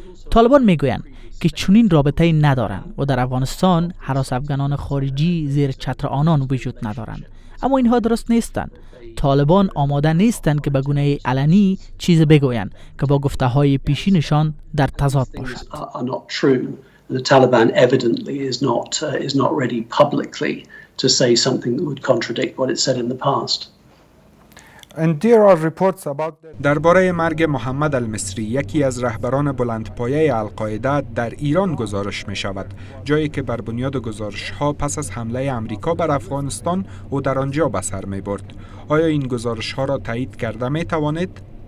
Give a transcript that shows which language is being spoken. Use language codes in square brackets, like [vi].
[fa] طالبان میگویند که چنین رابطه ندارند و در افغانستان هراس افغانان خارجی زیر چتر آنان وجود ندارند. اما اینها درست نیستند. طالبان آماده نیستند که به گونه علنی چیز بگویند که با گفته های پیشینشان در تضاد باشد. [en] The Taliban evidently is not ready publicly to say something that would contradict what it said in the past. And there are reports about [fa] درباره مرگ محمد المصری، یکی از رهبران بلندپایه القاعده در ایران گزارش می شود، جایی که بر بنیاد گزارش ها پس از حمله آمریکا بر افغانستان او در آنجا به سر می برد. آیا این گزارش ها را تایید کرده می توانید؟